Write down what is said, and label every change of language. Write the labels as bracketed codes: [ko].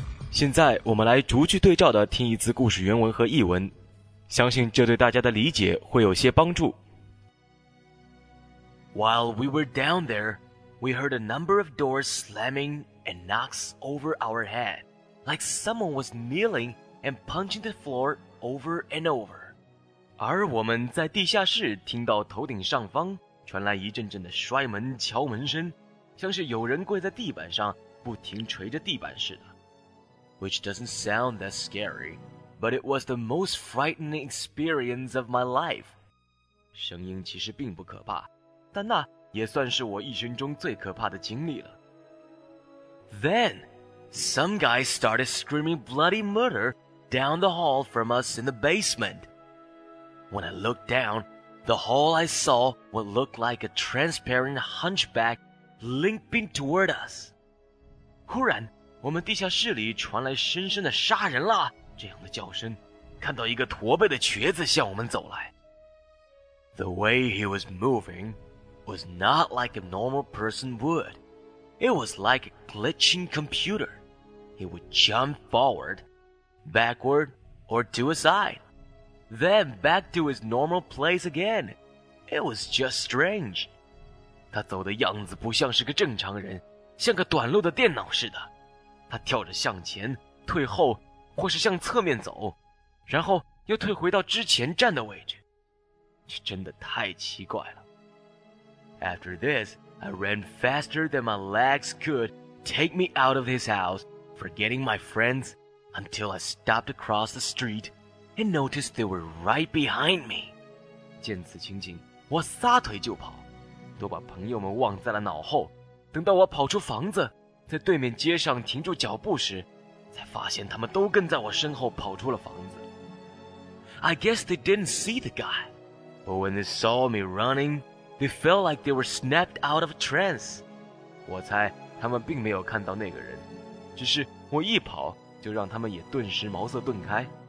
[zh] 现在我们来逐句对照的听一次故事原文和译文，相信这对大家的理解会有些帮助。 [en] While we were down there, we heard a number of doors slamming and knocks over our head, like someone was kneeling and punching the floor over and over. [zh] 而我们在地下室听到头顶上方传来一阵阵的摔门敲门声，像是有人跪在地板上不停捶着地板似的。 [en] Which doesn't sound that scary. But it was the most frightening experience of my life. [zh] 声音其实并不可怕，但那也算是我一生中最可怕的经历了。 [en] Then, some guy started screaming bloody murder down the hall from us in the basement. When I looked down, the hall I saw what looked like a transparent hunchback limping toward us. [zh] 忽然，我们地下室里传来深深的杀人啦。这样的叫声，看到一个驼背的瘸子向我们走来。 [en] The way he was moving was not like a normal person would. It was like a glitching computer. He would jump forward, backward, or to his side. Then back to his normal place again. It was just strange. [zh] 他走的样子不像是个正常人，像个短路的电脑似的。他跳着向前、退后，或是向侧面走，然后又退回到之前站的位置。这真的太奇怪了。 [en] After this, I ran faster than my legs could take me out of his house, forgetting my friends, until I stopped across the street and noticed they were right behind me. [zh] 见此情景，我撒腿就跑，都把朋友们忘在了脑后。等到我跑出房子，在对面街上停住脚步时，才发现他们都跟在我身后跑出了房子。 [en] I guess they didn't see the guy, but when they saw me running, they felt like they were snapped out of a trance. [zh] 我猜他们并没有看到那个人，只是我一跑，就让他们也顿时茅塞顿开。